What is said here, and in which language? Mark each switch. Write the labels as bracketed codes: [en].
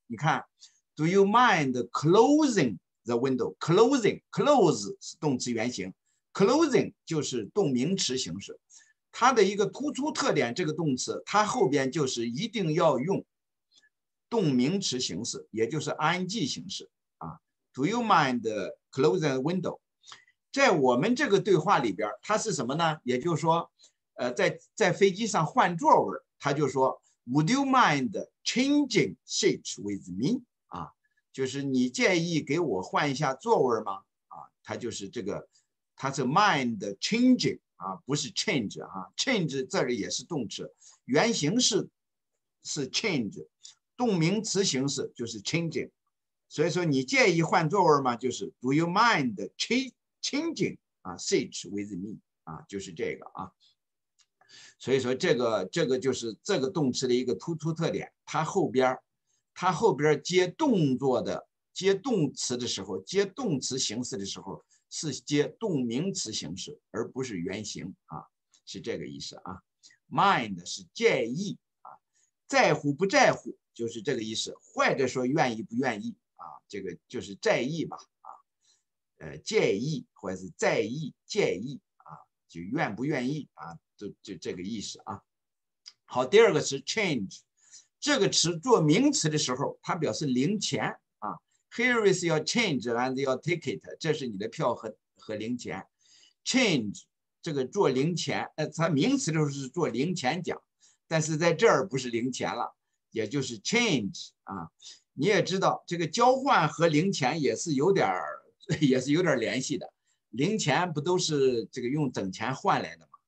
[zh] 你看 [en] ，Do you mind closing the window? [zh] Closing, close 是动词原形 ，closing 就是动名词形式。它的一个突出特点，这个动词它后边就是一定要用动名词形式，也就是 ing 形式啊。 [en] Do you mind closing the window? [zh] 在我们这个对话里边，它是什么呢？也就是说。在飞机上换座位，他就说 [en] Would you mind changing seats with me？ [zh] 啊，就是你介意给我换一下座位吗？啊，他就是这个，他是 mind changing 啊，不是 change 啊 ，change 这里也是动词，原形是 change， 动名词形式就是 changing。所以说你介意换座位吗？就是 [en] Do you mind changing 啊 seats with me？ [zh] 啊，就是这个啊。所以说这个就是这个动词的一个突出特点，它后边接动作的，接动词的时候，接动词形式的时候是接动名词形式，而不是原形啊，是这个意思啊。 Mind 是介意啊，在乎不在乎就是这个意思，或者说愿意不愿意啊，这个就是在意吧啊，介意或者是在意介意啊，就愿不愿意啊。就这个意思啊。好，第二个词 change， 这个词做名词的时候它表示零钱啊。 [en] Here is your change and your ticket， [zh] 这是你的票 和零钱。 change 这个做零钱，它名词的时候是做零钱讲，但是在这儿不是零钱了，也就是 change 啊。你也知道这个交换和零钱也是有点联系的，零钱不都是这个用整钱换来的吗？